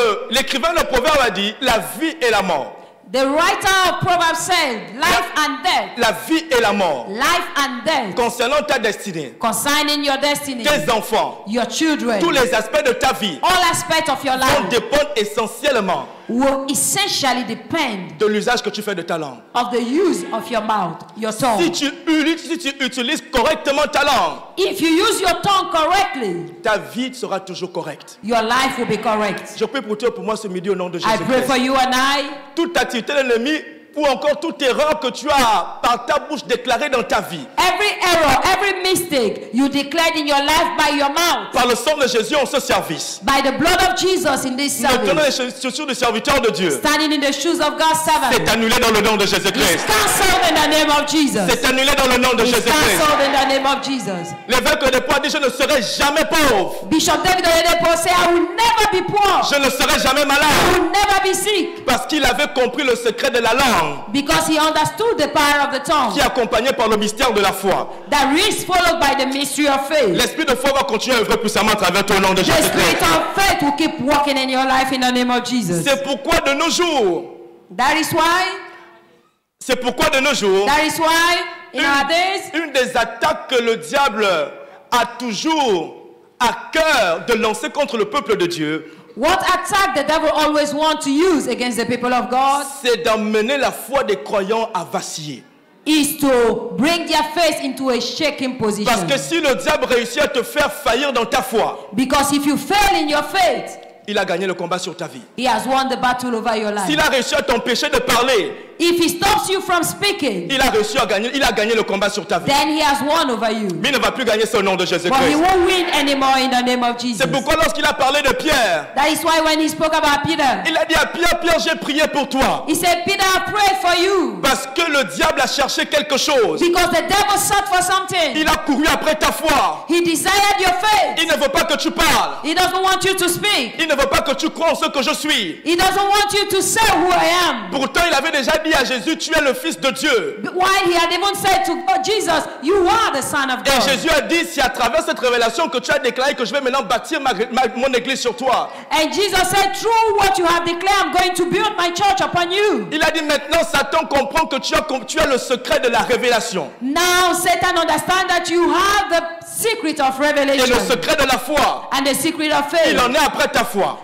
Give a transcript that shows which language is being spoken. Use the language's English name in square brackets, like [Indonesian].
[French] L'écrivain de Proverbe a dit la vie et la mort. [English] The writer of Proverbs said life and death. [French] La vie et la mort. [English] Life and death. [French] Concernant ta destinée. [English] Concerning your destiny. [French] Tes enfants. [English] Your children. [French] Tous les aspects de ta vie. [English] All aspects of your life. [French] Vont dépendre essentiellement. [English] Will essentially depend [French] de l'usage que tu fais de ta langue. [English] Of the use of your mouth, your tongue. [French] Si tu utilises correctement ta langue. [English] If you use your tongue correctly, [French] ta vie sera toujours correcte. [English] Your life will be correct. [French] Je prie pour toi pour moi ce midi au nom de Jésus-Christ. [English] I pray for you and I. [French] Toute activité de l'ennemi ou encore toute erreur que tu as par ta bouche déclarée dans ta vie. [English] Every error, every mistake you declared in your life by your mouth. [French] Par le sang de Jésus en ce service. [English] By the blood of Jesus in this service. [French] Dans les chaussures du serviteur de Dieu. [English] Standing in the shoes of God's servant. [French] C'est annulé dans le nom de Jésus-Christ. [English] It's cancelled in the name of Jesus. [French] C'est annulé dans le nom de Jésus-Christ. [English] It's cancelled in the name of Jesus. [French] L'évêque de Poix dit je ne serai jamais pauvre. [English] Bishop David de Poix said I will never be poor. [French] Je ne serai jamais malade. [English] I will never be sick. [French] Parce qu'il avait compris le secret de la langue. [English] Because he understood the power of the tongue. [French] Qui est accompagné par le mystère de la foi. [English] That is followed by the mystery of faith. [French] L'esprit de foi va continuer à œuvrer puissamment à travers ton nom de Jésus. [English] The spirit of faith will keep working in your life in the name of Jesus. [French] C'est pourquoi de nos jours. [English] That is why. [French] C'est pourquoi de nos jours. [English] That is why in our days. [French] Une des attaques que le diable a toujours à cœur de lancer contre le peuple de Dieu. [English] What attack the devil always wants to use against the people of God? [French] C'est d'amener la foi des croyants à vaciller. [English] Is to bring their faith into a shaking position. [French] Parce que si le diable réussit à te faire faillir dans ta foi, [English] because if you fail in your faith, [French] il a gagné le combat sur ta vie. [English] He has won the battle over your life. [French] S'il a réussi à t'empêcher de parler, [English] if he stops you from speaking, [French] il a gagné le combat sur ta vie. [English] Then he has won over you. [French] Mais il ne va plus gagner son nom de Jésus-Christ. [English] But he won't win anymore in the name of Jesus. [French] C'est pourquoi lorsqu'il a parlé de Pierre, [English] that is why when he spoke about Peter, [French] il a dit à Pierre, j'ai prié pour toi. [English] He said, Peter, I prayed for you. [French] Parce que le diable a cherché quelque chose. [English] Because the devil sought for something. [French] Il a couru après ta foi. [English] He desired your faith. [French] Il ne veut pas que tu parles. [English] He doesn't want you to speak. [French] Il ne veut pas que tu crois en ce que je suis. [English] He doesn't want you to say who I am. [French] Pourtant, il avait déjà dit à Jésus, tu es le fils de Dieu. [English] While he had even said to Jesus, you are the son of God. [French] Et Jésus a dit, c'est à travers cette révélation que tu as déclaré que je vais maintenant bâtir mon église sur toi. [English] And Jesus said, through what you have declared, I'm going to build my church upon you. [French] Il a dit, maintenant Satan comprend que tu as le secret de la révélation. [English] Now Satan understands that you have the secret of revelation. [French] Et le secret de la foi. [English] And the secret of faith. [French] Il en est après ta foi.